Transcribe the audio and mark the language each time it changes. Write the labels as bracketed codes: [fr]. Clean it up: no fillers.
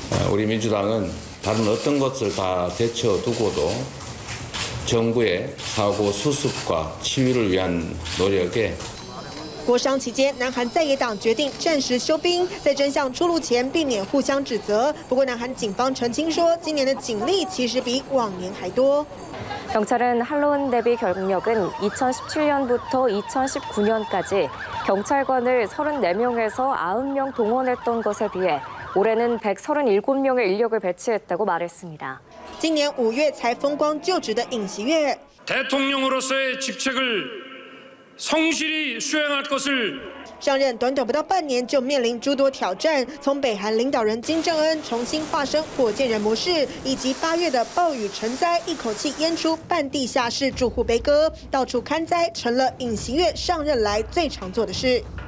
[ko] 우리민주당은다른어떤것을다대처두고도정부의사고수습과치유를위한노력에 [zh] 国殇期间，南韩在野党决定暂时休兵，在真相出炉前避免互相指责。不过，南韩警方澄清说，今年的警力其实比往年还多。 [ko] 경찰은할로윈대비경력은2017년부터2019년까지경찰관을34명에서90명동원했던것에비해올해는137명의인력을배치했다고말했습니다 [zh] 今年五月才风光就职的尹锡悦， [ko] 대통령으로서의직책을성실히수행할것을 [zh] 上任短短不到半年就面临诸多挑战，从北韩领导人金正恩重新化身火箭人模式，以及八月的暴雨成灾，一口气淹出半地下室住户悲歌，到处看灾，成了尹锡悦上任来最常做的事。